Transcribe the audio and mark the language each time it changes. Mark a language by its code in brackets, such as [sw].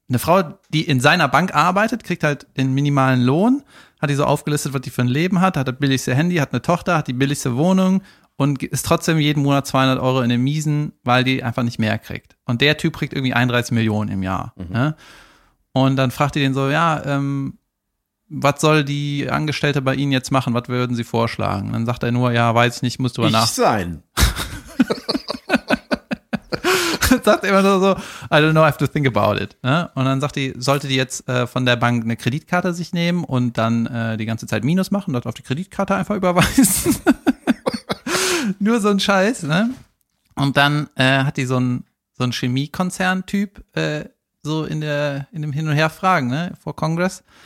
[de] eine Frau, die in seiner Bank arbeitet, kriegt halt den minimalen Lohn, hat die so aufgelistet, was die für ein Leben hat, hat das billigste Handy, hat eine Tochter, hat die billigste Wohnung und ist trotzdem jeden Monat 200 Euro in den Miesen, weil die einfach nicht mehr kriegt. Und der Typ kriegt irgendwie 31 Millionen im Jahr. Mhm. Ne? Und dann fragt die den so, ja, was soll die Angestellte bei Ihnen jetzt machen? Was würden Sie vorschlagen? Dann sagt er nur, ja, weiß ich nicht, muss drüber nach. Ich sein. Sagt immer nur so, [en] I don't know, I have to think about it. [de] Ne? Und dann sagt die, sollte die jetzt von der Bank eine Kreditkarte sich nehmen und dann die ganze Zeit Minus machen und dort auf die Kreditkarte einfach überweisen? Nur so ein Scheiß. Ne? Und dann hat die so ein Chemiekonzern-Typ so in dem Hin und Her fragen, ne, vor Congress.